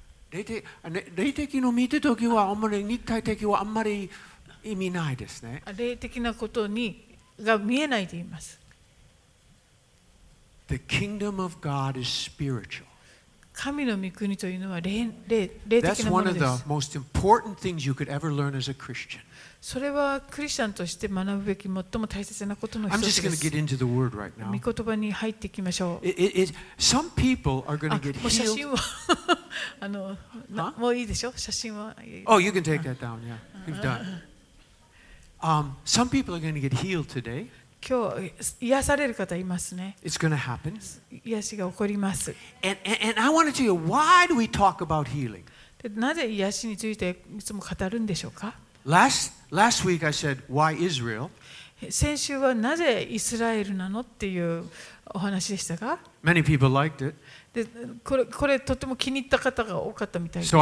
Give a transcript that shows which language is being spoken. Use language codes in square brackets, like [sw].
[ja] 霊的の見てる時はあんまり肉体的はあんまり意味ないですね。霊的なことにが見えないでいます。 [en] The kingdom of God is spiritual. [ja] 神の御国というのは霊的なものです。 [en] That's one of the most important things you could ever learn as a Christian. [ja] それはクリスチャンとして学ぶべき最も大切なことの一つです。 [en] I'm just going to get into the word right now. [ja] 御言葉に入っていきましょう。 [en] Some people are going to get healed. [ja] もう写真は もういいでしょ写真は。 [en] Oh, you can take that down. Yeah, you've done. Some people are going to get healed today. [ja] 今日癒される方いますね。 [en] It's going to happen. [ja] 癒しが起こります。 [en] And I want to tell you, why do we talk about healing? [ja] で、なぜ癒しについていつも語るんでしょうか? [en] Last week I said, why Israel? [ja] 先週はなぜイスラエルなのっていうお話でしたか? [en] Many people liked it. [ja] で、これとても気に入った方が多かったみたいですけど。